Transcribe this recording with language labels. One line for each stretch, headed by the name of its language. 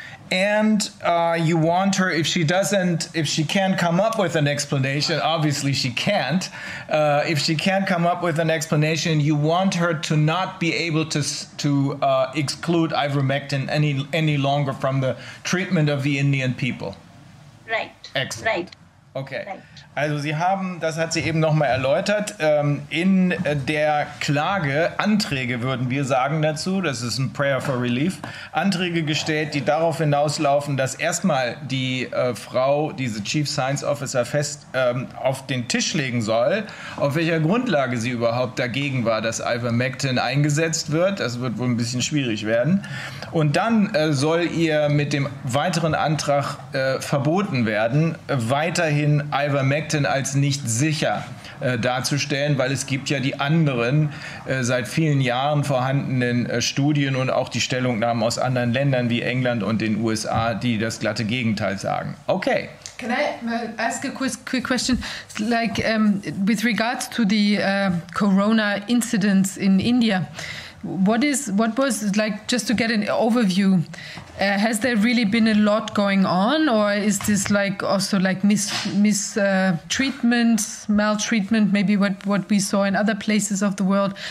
English: And you want her, if she can't come up with an explanation, obviously she can't. If she can't come up with an explanation, you want her to not be able to exclude ivermectin any longer from the treatment of the Indian people. Right. Excellent. Right. Okay.
German: Also Sie haben, das hat sie eben nochmal erläutert, in der Klage Anträge, würden wir sagen dazu, das ist ein Prayer for Relief, Anträge gestellt, die darauf hinauslaufen, dass erstmal die Frau, diese Chief Science Officer, fest auf den Tisch legen soll, auf welcher Grundlage sie überhaupt dagegen war, dass Ivermectin eingesetzt wird. Das wird wohl ein bisschen schwierig werden. Und dann soll ihr mit dem weiteren Antrag verboten werden, weiterhin Ivermectin als nicht sicher darzustellen, weil es gibt ja die anderen seit vielen Jahren vorhandenen Studien und auch die Stellungnahmen aus anderen Ländern wie England und den USA, die das glatte Gegenteil sagen. Okay.
English: Can I ask a quick question? Like with regards to the Corona incidents in India, what was like, just to get an overview, has there really been a lot going on, or is this like also like maltreatment, maybe what we saw in other places of the world?